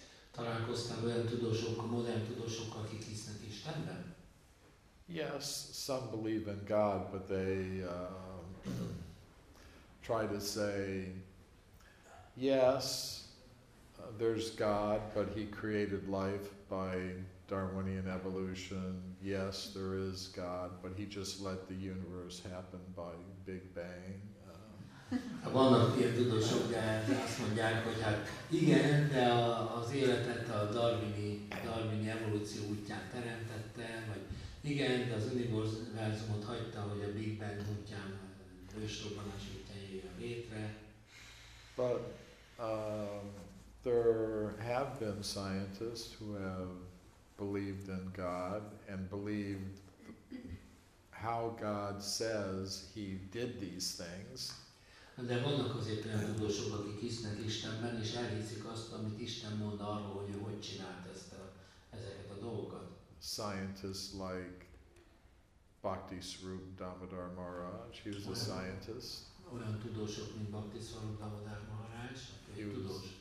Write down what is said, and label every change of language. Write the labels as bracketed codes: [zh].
[hu] Találkoztam olyan tudósokkal, modern tudósokkal, akik hisznek Istenben? [en] Yes, some believe in God, but they try to say, yes, there's God, but he created life by Darwinian evolution. Yes, there is God, but he just let the universe happen by Big Bang. [hu] Vannak ilyen tudósok, de azt mondják, hogy hát igen, de az életet a darwini evolúció útján teremtette, vagy igen, de az univerzumot hagyta, hogy a Big Bang útján ősrobbanás útján jöjjön létre. [en] But there have been scientists who have believed in God and believed how God says he did these things. [hu] De vannak azért olyan tudósok, akik hisznek Istenben, és elhiszik azt, amit Isten mond arról, hogy ő hogy csinált ezeket a dolgokat. [en] Scientists like Bhakti Swarup Damodar Maharaj, he was a scientist. [hu] Olyan tudósok, mint Bhakti Swarup Damodar Maharaj, aki egy tudós.